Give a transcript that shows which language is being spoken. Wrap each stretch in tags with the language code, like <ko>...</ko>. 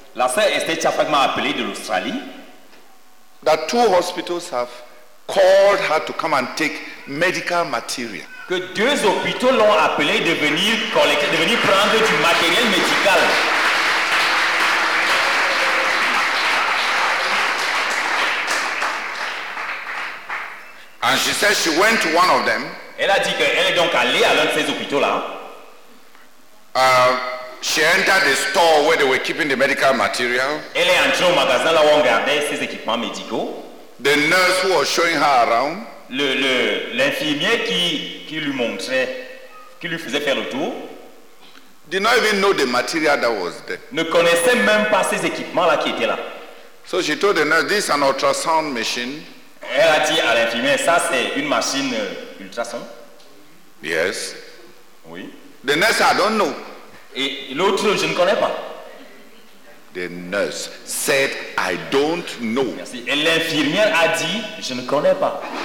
<fr>La sœur Esther Chaffa m'a appelé de l'Australie.</fr> <en>That two hospitals have called her to come and take medical material.</en> <fr>Que deux hôpitaux l'ont appelé de venir collecter, de venir prendre du matériel médical.</fr> <en>And she said she went to one of them.</en> <fr>Elle a dit qu'elle est donc allée à l'un de ces hôpitaux-là.</fr> <en>She entered the store where they were keeping the medical material.</en> <fr>Elle est entrée au magasin là où on gardait ses équipements médicaux.</fr> <en>The nurse who was showing her around.</en> <fr>L'infirmier qui lui montrait, qui lui faisait faire le tour.</fr> <en>Did not even know the material that was there.</en> <fr>Ne connaissait même pas ces équipements-là qui étaient là.</fr> <en>So she told the nurse, "This is an ultrasound machine."</en> <fr>Elle a dit à l'infirmier, ça c'est une machine ultrasound.</fr> <en>Yes.</en> <fr>Oui.</fr> <en>The nurse, I don't know.</en> <fr>Et l'autre, je ne connais pas.</fr> <en>The nurse said, I don't know.</en> <fr>Et l'infirmière a dit, je ne connais pas.</fr>